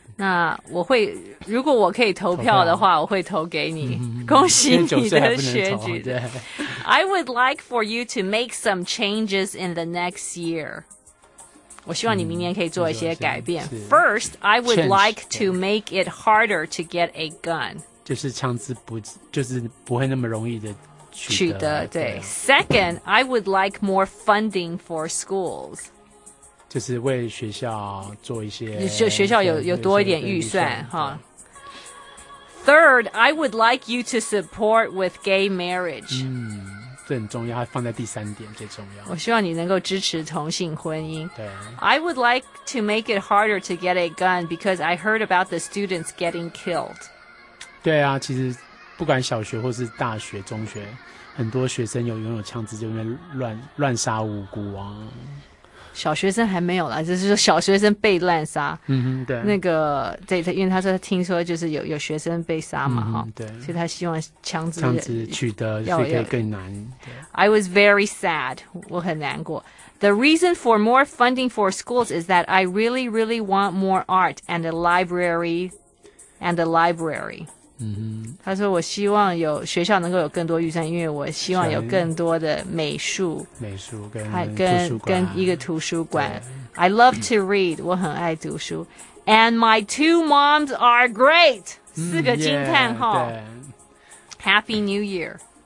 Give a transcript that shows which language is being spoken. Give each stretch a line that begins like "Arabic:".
Chinese: 那我会，如果我可以投票的话，我会投给你。恭喜你的选举。
English: I would like for you to make some changes in the next year.
Chinese: 我希望你明年可以做一些改变。
English: First, I would like to make it harder to get a gun.
Chinese: 就是枪支不，就是不会那么容易的取得。对。
English: Second, I would like more funding for schools.
Chinese: 就是为学校做一些，就学校有多一点预算哈。
English: Third, I would like you to support with gay marriage.
Chinese: 嗯，这很重要，放在第三点最重要。我希望你能够支持同性婚姻。对。
English: I would like to make it harder to get a gun because I heard about the students getting killed.
Chinese: 对啊，其实不管小学或是大学、中学，很多学生有拥有枪支，就在乱杀无辜啊。小学生还没有啦，就是说小学生被滥杀。嗯哼，对。那个，对，因为他说他听说就是有学生被杀嘛，哈，嗯。对。所以他希望枪支取得是可以更难。
English: I was very sad.
Chinese: 我很难过。
English: The reason for more funding for schools is that I really, really want more art and a library. Mm-hmm.
Chinese: 他说我希望有学校能够有更多预算，因为我希望有更多的美术跟一个图书馆。
English: I love to read,
Chinese: 我很爱读书。
English: And my two moms are great!
Chinese: 四个惊叹号。
English: Happy New Year.